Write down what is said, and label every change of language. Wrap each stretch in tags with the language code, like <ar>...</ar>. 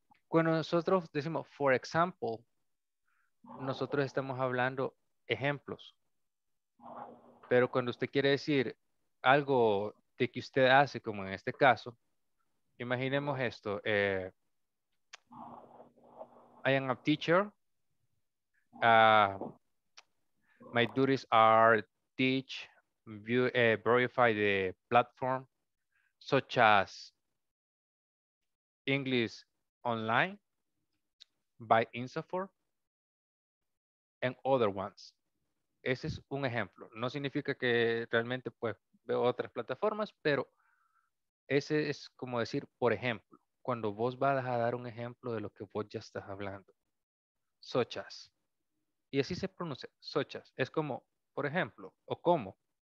<es>Cuando nosotros decimos,</es> <en>for example,</en> <es>nosotros estamos hablando ejemplos. Pero cuando usted quiere decir algo de que usted hace, como en este caso, imaginemos esto.</es> <en>I am a teacher. My duties are teach, view, verify the platform, such as English online by Insafor and other ones.</en> <es>Ese es un ejemplo. No significa que realmente pues veo otras plataformas, pero ese es como decir, por ejemplo, cuando vos vas a dar un ejemplo de lo que vos ya estás hablando.</es> <en>Such as.</en> <es>Y así se pronuncia, such as. Es como, por ejemplo, o como.</es>